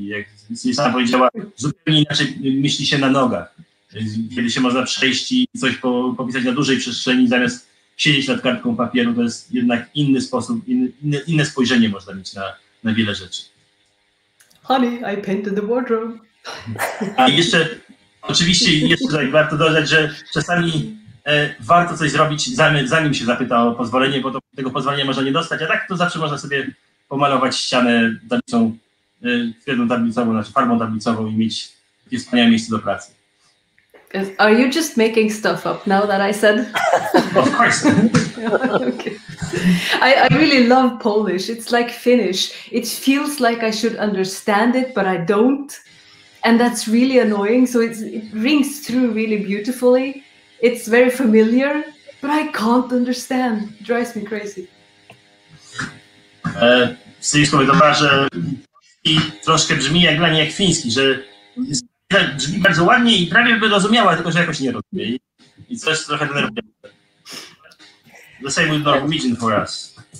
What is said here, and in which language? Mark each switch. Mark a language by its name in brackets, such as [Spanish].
[Polish] I jak sama powiedziała, zupełnie inaczej myśli się na nogach, kiedy się można przejść i coś popisać na dużej przestrzeni, zamiast siedzieć nad kartką papieru, to jest jednak inny sposób, inne spojrzenie można mieć na wiele rzeczy. [English] Honey, I painted the wardrobe. [Polish] A jeszcze, oczywiście jeszcze tak warto dodać, że czasami warto coś zrobić, zanim się zapyta o pozwolenie, bo tego pozwolenia można nie dostać, a tak to zawsze można sobie pomalować ścianę tablicą, jedną tablicową, znaczy farbą tablicową i mieć wspaniałe miejsce do pracy. [English] Are you just making stuff up now that I said? Of course. Okay. I really love Polish. It's like Finnish. It feels like I should understand it, but I don't. And that's really annoying. So it rings through really beautifully. It's very familiar, but I can't understand. It drives me crazy. [Polish] Syjsko wydawała, że i troszkę brzmi jak dla niej jak fiński, że brzmi bardzo ładnie i prawie by rozumiała, tylko że jakoś nie rozumie. I coś trochę denerwuje. [English] The same with Norwegian for us.